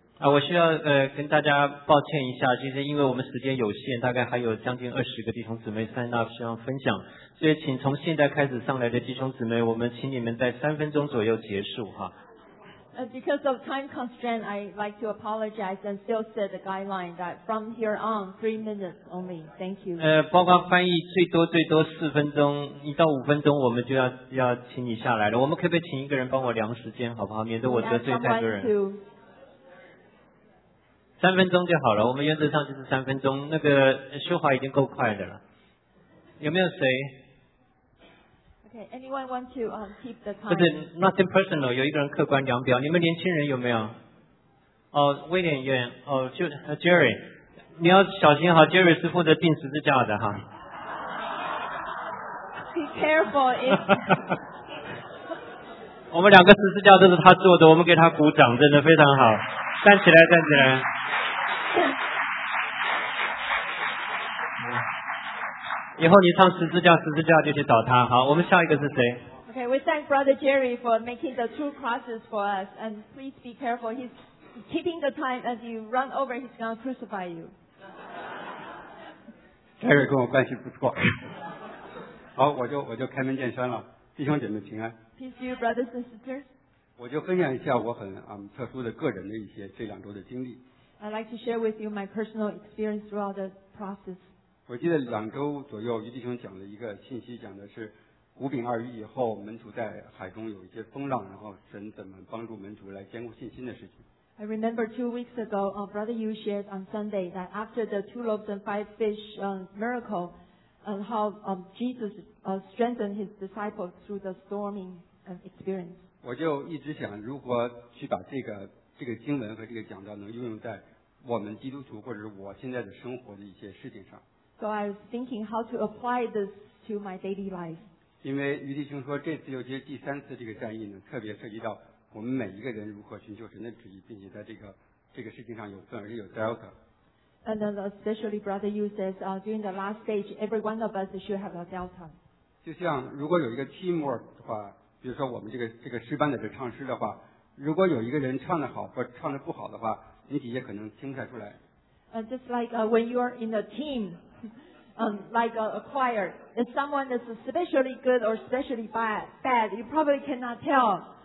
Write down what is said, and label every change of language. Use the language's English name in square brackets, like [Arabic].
[Chinese] 我需要跟大家抱歉一下，就是因为我们时间有限，大概还有将近20个弟兄姊妹 [English] sign up [Chinese] 希望分享，所以请从现在开始上来的弟兄姊妹，我们请你们在三分钟左右结束哈。 [English] Because of time constraint, I'd like to apologize and still set the guideline that from here on, 3 minutes only. Thank you. [Chinese] 包括翻译最多4分钟，1到5分钟我们就要请你下来了。我们可不可以请一个人帮我量时间，好不好？免得我得罪太多人。三分钟就好了，我们原则上就是三分钟。那个修华已经够快的了。有没有谁？ [English] Anyone want to keep the time? [Chinese] 不是 [English] ，nothing personal. [Chinese] 有一个人客观量表，你们年轻人有没有？威廉院，Jerry， 你要小心哈。 Jerry 是负责钉十字架的哈。 [English] Be careful. [Chinese] 我们两个十字架都是他做的，我们给他鼓掌，真的非常好。站起来，站起来。以后你唱十字架就去找他。好，我们下一个是谁？ [English] OK, we thank Brother Jerry for making the two crosses for us and please be careful, he's keeping the time as you run over, he's going to crucify you. [Chinese] Jerry 跟我关系不错。好，我就开门见山了。弟兄姐妹平安。 [English] Peace to you, brothers and sisters. [Chinese] 我就分享一下我很特殊的个人的一些这两周的经历。 [English] I'd like to share with you my personal experience throughout the process. [Chinese] 我记得两周左右于弟兄讲了一个信息，讲的是五饼二鱼以后门徒在海中有一些风浪，然后神怎么帮助门徒来坚固信心的事情。 [English] I remember 2 weeks ago Brother Yu shared on Sunday that after the 2 loaves and 5 fish miracle and how Jesus strengthened his disciples through the storming experience. [Chinese] 我就一直想如何去把这个经文和这个讲道能运用在我们基督徒或者是我现在的生活的一些事情上。 [English] So I was thinking how to apply this to my daily life. [Chinese] 因为于弟兄说这次又接第三次这个战役呢，特别涉及到我们每一个人如何寻求神的旨意，并且在这个事情上有份而且有 delta. [English] And then especially Brother Yu says, during the last stage, every one of us should have a delta. [Chinese] 就像如果有一个 teamwork 的话，比如说我们这个诗班的这唱诗的话，如果有一个人唱得好或唱得不好的话，你底下可能听不太出来。 [English] just like when you are in a team, like a choir, if someone is especially good or especially bad, you probably cannot tell.